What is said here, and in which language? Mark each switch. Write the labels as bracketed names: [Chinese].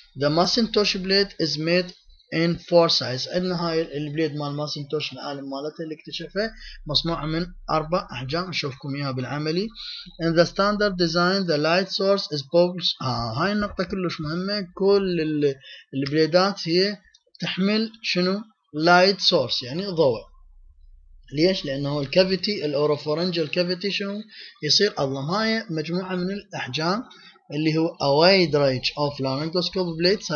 [English] The Macintosh blade is made in 4 size. [Arabic] عندنا هاي البليد مال Macintosh العالم مالته اللي اكتشفه مصنوع من اربع احجام، اشوفكم اياها بالعملي. [English] In the standard design the light source is pulsed. [Arabic] هاي النقطة كلش مهمة، كل البليدات هي تحمل شنو؟ light source يعني ضوء. ليش؟ لانه الكافيتي الاوروفارنجيال كافيتي شنو؟ يصير اظلم. هاي مجموعة من الاحجام اللي هو a wide range of laryngoscope blades.